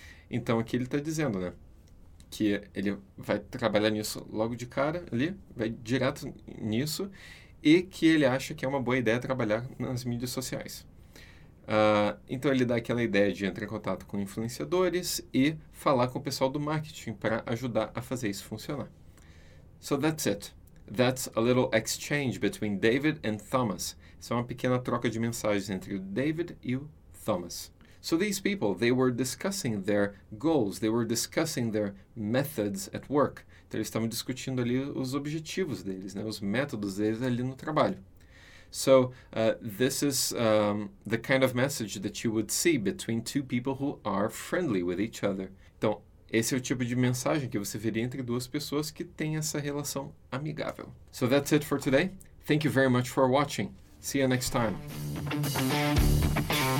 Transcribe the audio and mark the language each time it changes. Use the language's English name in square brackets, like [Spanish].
[Portuguese] Então, aqui ele está dizendo, né, que ele vai trabalhar nisso logo de cara ali, vai direto nisso, e que ele acha que é uma boa ideia trabalhar nas mídias sociais. Então, ele dá aquela ideia de entrar em contato com influenciadores e falar com o pessoal do marketing para ajudar a fazer isso funcionar. [English] So, that's it. That's a little exchange between David and Thomas. [Portuguese] Isso é uma pequena troca de mensagens entre o David e o Thomas. [English] So these people, they were discussing their goals, they were discussing their methods at work. [Portuguese] Então eles estavam discutindo ali os objetivos deles, né? Os métodos deles ali no trabalho. [English] So this is the kind of message that you would see between two people who are friendly with each other. [Portuguese] Então, esse é o tipo de mensagem que você veria entre duas pessoas que têm essa relação amigável. [English] So that's it for today. Thank you very much for watching. See you next time.